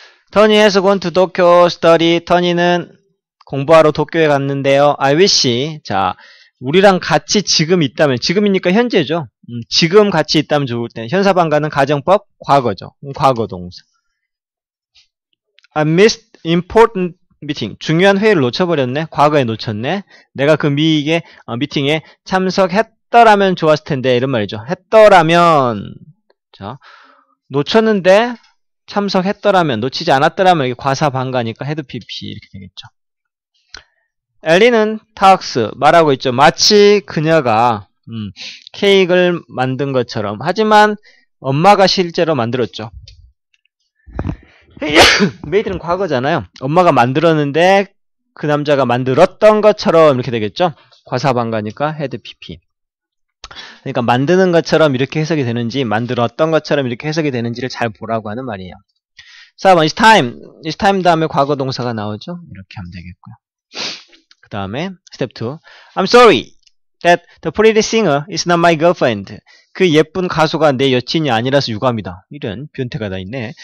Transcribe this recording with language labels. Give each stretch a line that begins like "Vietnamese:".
English: 토니 has gone to Tokyo study.
Korean: 토니는 공부하러 도쿄에 갔는데요.
English: I wish.
Korean: 자, 우리랑 같이 지금 있다면, 지금이니까 현재죠. 지금 같이 있다면 좋을 때 현사반가는 가정법 과거죠. 과거동사.
English: I missed important meeting.
Korean: 중요한 회의를 놓쳐버렸네. 과거에 놓쳤네. 내가 그 미팅에 참석했더라면 좋았을 텐데 이런 말이죠. 했더라면. 자, 놓쳤는데 참석했더라면, 놓치지 않았더라면 이게 과사반가니까 헤드 PP 이렇게 되겠죠. 엘리는 타크스 말하고 있죠. 마치 그녀가 케이크를 만든 것처럼. 하지만 엄마가 실제로 만들었죠. 메이드는 과거잖아요. 엄마가 만들었는데 그 남자가 만들었던 것처럼 이렇게 되겠죠. 과사반가니까 헤드 PP. 그러니까 만드는 것처럼 이렇게 해석이 되는지 만들었던 것처럼 이렇게 해석이 되는지를 잘 보라고 하는 말이에요.
English: 4번 It's time. It's time
Korean: 다음에 과거 동사가 나오죠. 이렇게 하면 되겠고요. 그 다음에
English: 스텝 2. I'm sorry that the pretty singer is not my girlfriend.
Korean: 그 예쁜 가수가 내 여친이 아니라서 유감이다. 이런 변태가 다 있네.